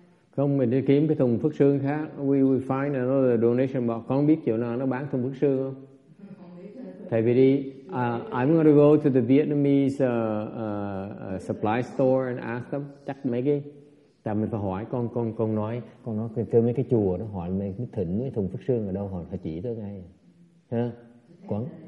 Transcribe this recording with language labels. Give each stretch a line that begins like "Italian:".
Vietnamese: Không, mình đi kiếm cái thùng phước sương khác.
English: We find another donation box.
Vietnamese: Con biết chỗ nào nó bán thùng phước sương không? Thầy phải đi.
English: I'm going to go to the Vietnamese supply store and ask them.
Vietnamese: Chắc mấy cái. Tại mình phải hỏi con nói kêu mấy cái chùa nó hỏi mấy cái thỉnh mấy thùng phước sương ở đâu, hỏi phải chỉ tới ngay. Hả? Quấn.